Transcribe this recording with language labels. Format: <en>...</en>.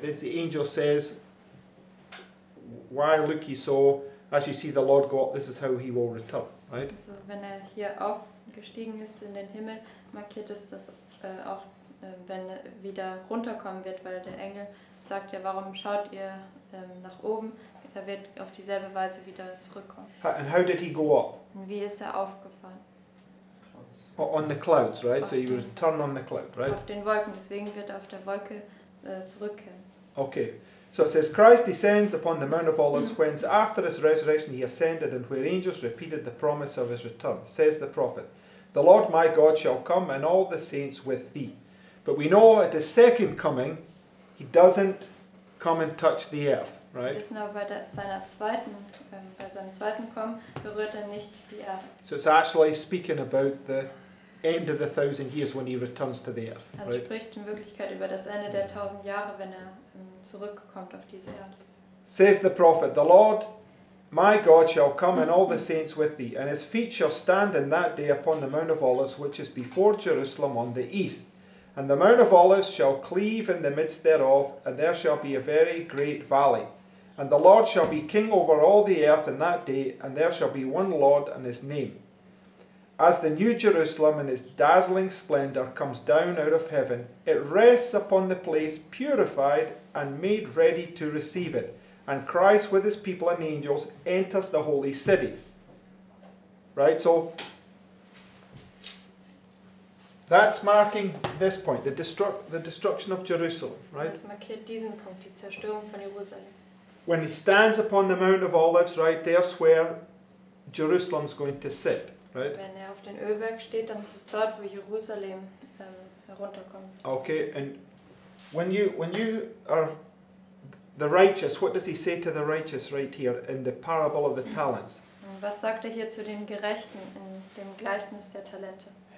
<en>This, the angel says, why look ye so, as you see the Lord go up, this is how he will return, right?</en> <de>So, wenn hier aufgestiegen ist in den Himmel, markiert es das auch, wenn wieder runterkommen wird, weil der Engel sagt ja, warum schaut ihr nach oben? Er wird auf dieselbe Weise wieder zurückkommen.</de> <en>And how did he go up?</en> <de>Wie ist aufgefahren?</de> <en>On the clouds, right? So you return on the cloud, right?</en> <de>Auf den Wolken, deswegen wird er auf der Wolke zurückkehren.</de> <en>Okay. So it says, Christ descends upon the Mount of Olives, whence after his resurrection he ascended, and where angels repeated the promise of his return. Says the prophet, the Lord my God shall come, and all the saints with thee. But we know at his second coming, he doesn't come and touch the earth, right?</en> <de>Wir wissen aber, bei seinem zweiten Kommen berührt er nicht die Erde.</de> <en>So it's actually speaking about the end of the 1,000 years when he returns to the earth. Also right?</en> <de>Spricht in Wirklichkeit über das Ende der 1,000 Jahre, wenn er zurückkommt auf diese Erde.</de> <en>Says the prophet, the Lord, my God, shall come and all the saints with thee, and his feet shall stand in that day upon the Mount of Olives, which is before Jerusalem on the east. And the Mount of Olives shall cleave in the midst thereof, and there shall be a very great valley. And the Lord shall be king over all the earth in that day, and there shall be one Lord and his name. As the new Jerusalem in its dazzling splendor comes down out of heaven, it rests upon the place purified and made ready to receive it. And Christ with his people and angels enters the holy city. Right, so that's marking this point, the destruction of Jerusalem, right?</en> <de>Das markiert diesen Punkt, die Zerstörung von Jerusalem.</de> <en>When he stands upon the Mount of Olives, right, there's where Jerusalem's going to sit, right?</en> <de>Wenn er auf den Ölberg steht, dann ist es dort, wo Jerusalem herunterkommt.</de> <en>Okay, and when you are the righteous, what does he say to the righteous right here in the parable of the talents?</en> <de>Was sagt er hier zu den Gerechten in dem Gleichnis der Talente?</de>